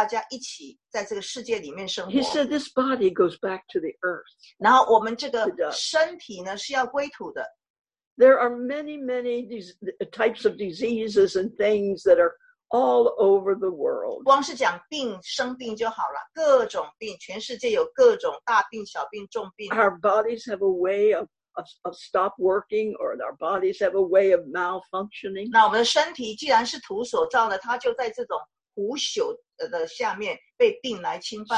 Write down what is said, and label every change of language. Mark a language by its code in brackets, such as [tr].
[zh] 啊，记得神的定律是这样子哈，他降雨给好人，也降给歹人，大家一起在这个世界里面生活。 [en] He said this body goes back to the earth. [zh] 然后我们这个身体呢是要归土的。 [en] There are many, many types of diseases and things that are all over the world. [zh] 光是讲病，生病就好了。各种病，全世界有各种大病、小病、重病。 [en] Our bodies have a way of stop working, or our bodies have a way of malfunctioning. [zh] 那我们的身体既然是土所造的，它就在这种腐朽的下面被病来侵犯。